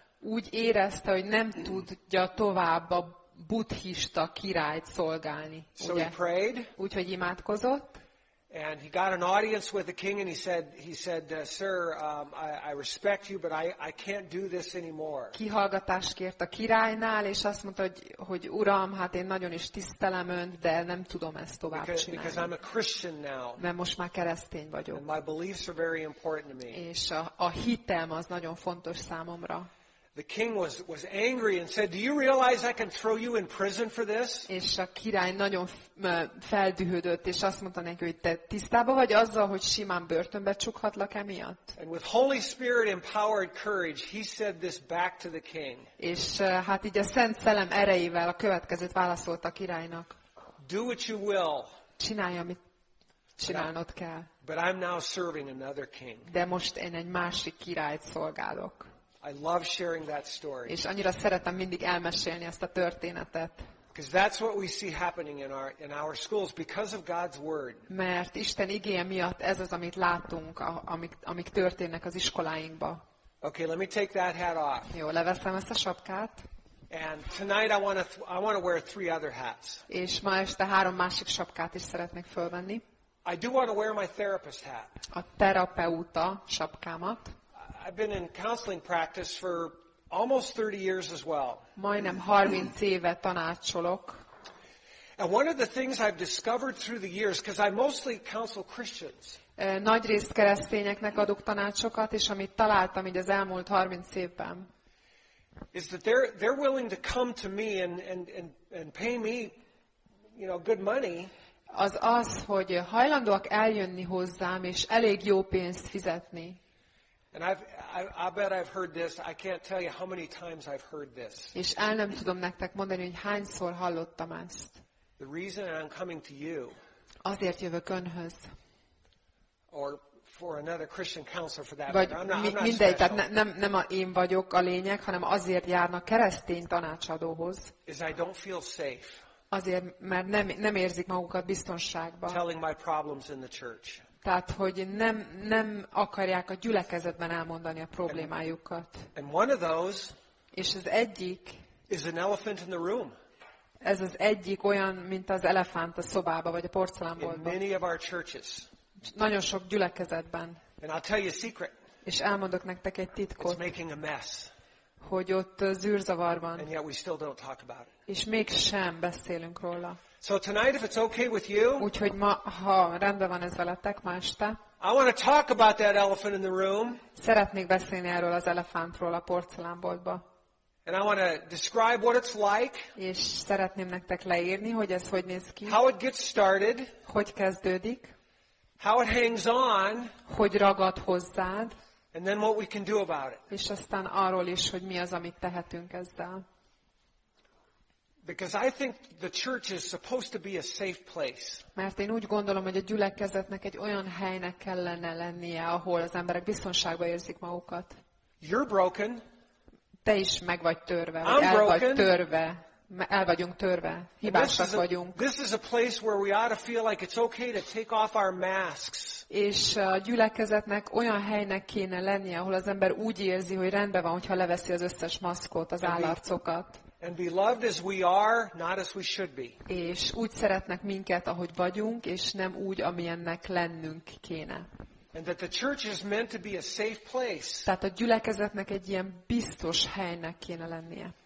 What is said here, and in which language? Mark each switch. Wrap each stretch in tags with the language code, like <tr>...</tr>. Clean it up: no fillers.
<hu>Úgy érezte, hogy nem tudja tovább a buddhista királyt szolgálni.</hu> <en>So he prayed.</en> <hu>Úgyhogy imádkozott.</hu> <en>And he got an audience with the king and he said, sir, I respect you, but I can't do this anymore.</en> <hu>Kihallgatást kért a királynál, és azt mondta, hogy uram, hát én nagyon is tisztelem önt, de nem tudom ezt tovább csinálni.</hu> <en>Because I'm a Christian now.</en> <hu>Mert most már keresztény vagyok.</hu> <en>And my beliefs are very important to me.</en> <hu>És a hitem az nagyon fontos számomra.</hu> <en>The king was angry and said, "Do you realize I can throw you in prison for this?"</en> <hu>És a király nagyon feldühödött, és azt mondta neki, hogy te tisztában vagy azzal, hogy simán börtönbe csukhatlak emiatt?</hu> <en>And with Holy Spirit empowered courage, he said this back to the king.</en> <hu>És hát így a Szent Szellem erejével a következőt válaszolta a királynak.</hu> <en>Do what you will.</en> <hu>Csinálj, amit csinálnod kell.</hu> <en>But I'm now serving another king.</en> <hu>De most én egy másik királyt szolgálok.</hu> <en>I love sharing that story.</en> <hu>És annyira szeretem mindig elmesélni ezt a történetet.</hu> <en>Because that's what we see happening in our schools because of God's word.</en> <hu>Mert Isten igéje miatt ez az, amit látunk, amik történnek az iskoláinkba.</hu> <en>Okay, let me take that hat off.</en> <hu>Jó, leveszem ezt a sapkát.</hu> <en>And tonight I want to wear three other hats.</en> <hu>És ma este három másik sapkát is szeretnék fölvenni.</hu> <en>I do want to wear my therapist hat.</en> <hu>A terapeuta sapkámat.</hu> <en>I've been in counseling practice for almost 30 years as well.</en> <hu>Majdnem 30 éve tanácsolok.</hu> <en>And one of the things I've discovered through the years, because I mostly counsel Christians.</en> <hu>Nagy részt keresztényeknek adok tanácsokat, és amit találtam így az elmúlt 30 évben.</hu> <en>Is that they're willing to come to me and pay me, you know, good money.</en> <hu>Az, hogy hajlandóak eljönni hozzám és elég jó pénzt fizetni.</hu> <en>And I bet I've heard this. I can't tell you how many times I've heard this.</en> <hu>És el nem tudom nektek mondani, hogy hányszor hallottam ezt.</hu> <en>The reason I'm coming to you.</en> <hu>Azért jövök önhöz.</hu> <en>Or for another Christian counselor for that.</en> <hu>Vagy mindegy, tehát nem én vagyok a lényeg, hanem azért járnak keresztény tanácsadóhoz.</hu> <en>Is I don't feel safe.</en> <hu>Azért, mert nem érzik magukat biztonságban.</hu> <en>Telling my problems in the church.</en> <hu>Tehát, hogy nem akarják a gyülekezetben elmondani a problémájukat.</hu> <en>And one of those.</en> <hu>És az egyik.</hu> <en>Is an elephant in the room.</en> <hu>Ez az egyik olyan, mint az elefánt a szobába vagy a porcelánboltban.</hu> <en>In many of our churches.</en> <hu>Nagyon sok gyülekezetben.</hu> <en>And I'll tell you a secret.</en> <hu>És elmondok nektek egy titkot.</hu> <en>It's making a mess.</en> <hu>Hogy ott zűrzavar van.</hu> <en>And yet we still don't talk about it.</en> <hu>És mégsem beszélünk róla.</hu> <en>So tonight, if it's okay with you,</en> <hu>úgyhogy ma, ha rendben van ez veletek, ma este,</hu> <en>I want to talk about that elephant in the room.</en> <hu>Szeretnék beszélni erről az elefántról a porcelánboltba.</hu> <en>And I want to describe what it's like.</en> <hu>És szeretném nektek leírni, hogy ez hogy néz ki.</hu> <en>How it gets started.</en> <hu>Hogy kezdődik.</hu> <en>How it hangs on.</en> <hu>Hogy ragad hozzád.</hu> <en>And then what we can do about it.</en> <hu>És aztán arról is, hogy mi az, amit tehetünk ezzel.</hu> <en>Because I think the church is supposed to be a safe place.</en> <hu>Mert én úgy gondolom, hogy a gyülekezetnek egy olyan helynek kellene lennie, ahol az emberek biztonságban érzik magukat.</hu> <en>You're broken.</en> <hu>Te is meg vagy törve, vagy el vagy törve. El vagyunk törve, hibásak vagyunk.</hu> <en>This is a place where we ought to feel like it's okay to take off our masks.</en> <hu>És a gyülekezetnek olyan helynek kéne lennie, ahol az ember úgy érzi, hogy rendben van, hogyha leveszi az összes maszkot, az állarcokat.</hu> <en>And be loved as we are, not as we should be.</en> <hu>És úgy szeretnek minket, ahogy vagyunk, és nem úgy, amilyennek lennünk kéne.</hu> <en>And that the church is meant to be a safe place.</en> <hu>Tehát a gyülekezetnek egy ilyen biztos helynek kéne lennie.</hu>